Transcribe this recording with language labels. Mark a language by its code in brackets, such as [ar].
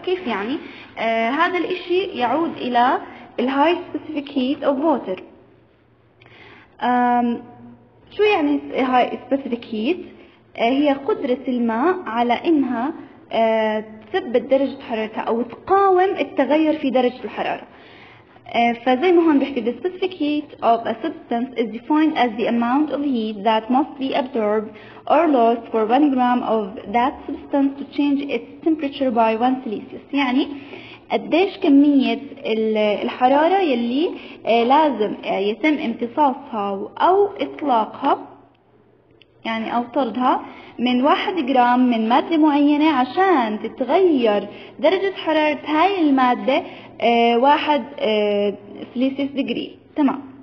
[ar] كيف يعني؟ هذا الإشي يعود إلى [en] الهاي specific heat أو water. [ar] شو يعني [en] هاي specific heat? [ar] هي قدرة الماء على إنها تثبت درجة حرارتها أو تقاوم التغير في درجة الحرارة. فزي ما هون بحكي [en] the specificity of a substance is defined as the amount of heat that must be absorbed or lost for 1 gram of that substance to change its temperature by 1 Celsius. [ar] يعني قديش كمية الحرارة يلي لازم يتم امتصاصها أو إطلاقها يعني أو طردها من 1 جرام من مادة معينة عشان تتغير درجة حرارة هاي المادة 1 [en] Celsius degree. [ar] تمام.